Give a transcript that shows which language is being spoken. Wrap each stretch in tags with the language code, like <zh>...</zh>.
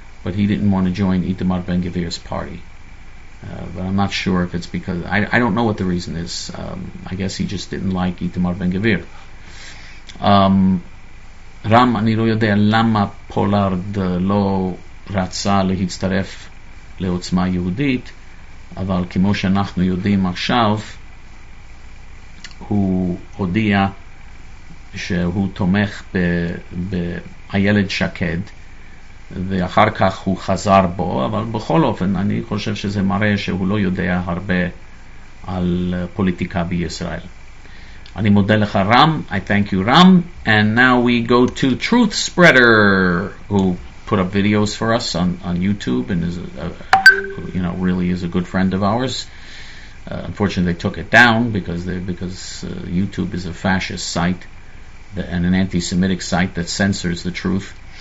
<en>But he didn't want to join Itamar Ben-Gvir's party. But I'm not sure if it's because... I don't know what the reason is. I guess he just didn't like Itamar Ben-Gvir. Ram,</en> <he>אני לא יודע למה פולארד לא רצה להצטרף לעוצמה יהודית, אבל כמו שאנחנו יודעים עכשיו, הוא הודיע שהוא תומך בילד שקד, ואחר כך הוא חזר בו, אבל בכל אופן אני חושב שזה מראה שהוא לא יודע הרבה על פוליטיקה בישראל. אני מודה לך רם.</he> <en>I thank you רם. And now we go to Truth Spreader, who put up videos for us on YouTube and is really is a good friend of ours. Unfortunately they took it down because YouTube is a fascist site and an anti-Semitic site that censors the truth.</en>